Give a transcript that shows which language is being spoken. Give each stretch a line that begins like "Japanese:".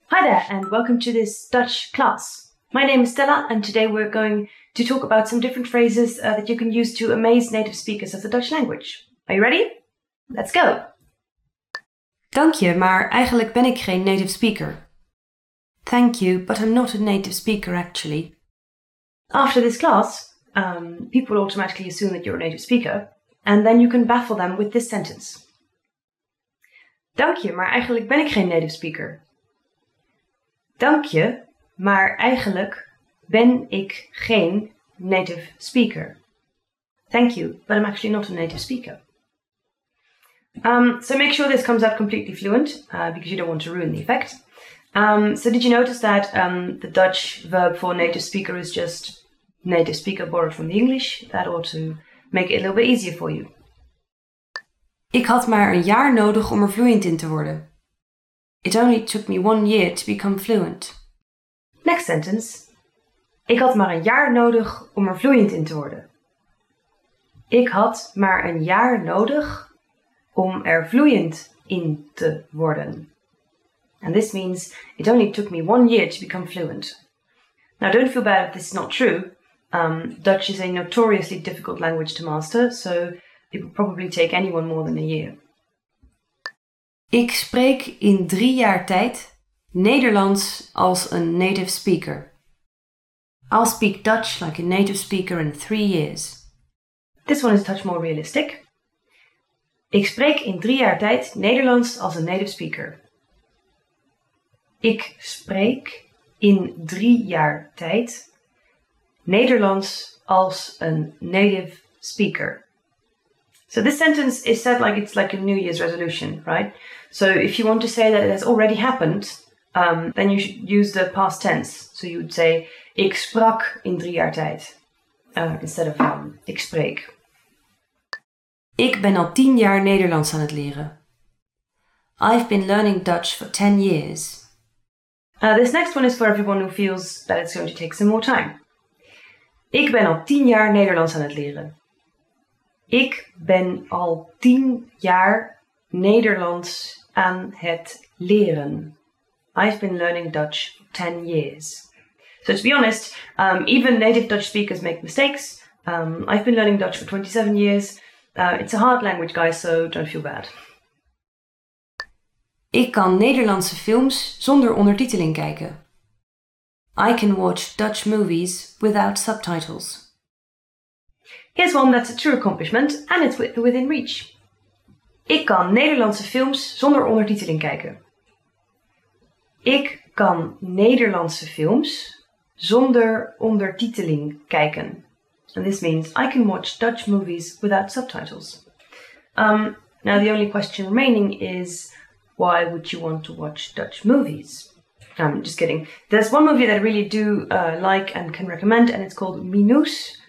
English: Hi there, and welcome to this Dutch class. My name is Stella, and today we're going to talk about some different phrases that you can use to amaze native speakers of the Dutch language. Are you ready? Let's go!
Dutch: Dank je, maar eigenlijk ben ik geen native speaker.
English: Thank you, but I'm not a native speaker, actually. After this class, people automatically assume that you're a native speaker, and then you can baffle them with this sentence.
Dutch: Dank je, maar eigenlijk ben ik geen native speaker. Dank je, maar eigenlijk ben ik geen native speaker.
English: Thank you, but I'm actually not a native speaker. So make sure this comes out completely fluent, because you don't want to ruin the effect. So did you notice that the Dutch verb for native speaker is just native speaker borrowed from the English? That ought to make it a little bit easier for you.
Dutch: Ik had maar een jaar nodig om er fluent in te worden.
English: It only took me 1 year to become fluent. Next sentence.
Dutch: Ik had maar een jaar nodig om er fluent in te worden. Ik had maar een jaar nodig om er fluent in te worden.
English: And this means, it only took me 1 year to become fluent. Now don't feel bad if this is not true. Dutch is a notoriously difficult language to master, so it would probably take anyone more than a year.
Dutch: Ik spreek in 3 jaar tijd Nederlands als een native speaker.
English: I'll speak Dutch like a native speaker in 3 years. This one is a touch more realistic.
Dutch: Ik spreek in 3 jaar tijd Nederlands als een native speaker. Ik spreek in 3 jaar tijd Nederlands als een native speaker.
English: So this sentence is said like it's like a New Year's resolution, right? So if you want to say that it has already happened, then you should use the past tense. So you would say,
Dutch: ik sprak in 3 jaar tijd,
English: instead of
Dutch: ik spreek. Ik ben al 10 jaar Nederlands aan het leren.
English: I've been learning Dutch for 10 years. This next one is for everyone who feels that it's going to take some more time.
Dutch: Ik ben al 10 jaar Nederlands aan het leren. Ik ben al 10 jaar Nederlands aan het leren.
English: I've been learning Dutch for 10 years. So to be honest, even native Dutch speakers make mistakes. I've been learning Dutch for 27 years. It's a hard language, guys, so don't feel bad.
Dutch: Ik kan Nederlandse films zonder ondertiteling kijken.
English: I can watch Dutch movies without subtitles. Here's one that's a true accomplishment, and it's within reach.
Dutch: Ik kan Nederlandse films zonder ondertiteling kijken. Ik kan Nederlandse films zonder ondertiteling kijken.
English: And this means I can watch Dutch movies without subtitles. Now the only question remaining is, why would you want to watch Dutch movies? I'm just kidding. There's one movie that I really do like and can recommend, and it's called Minus.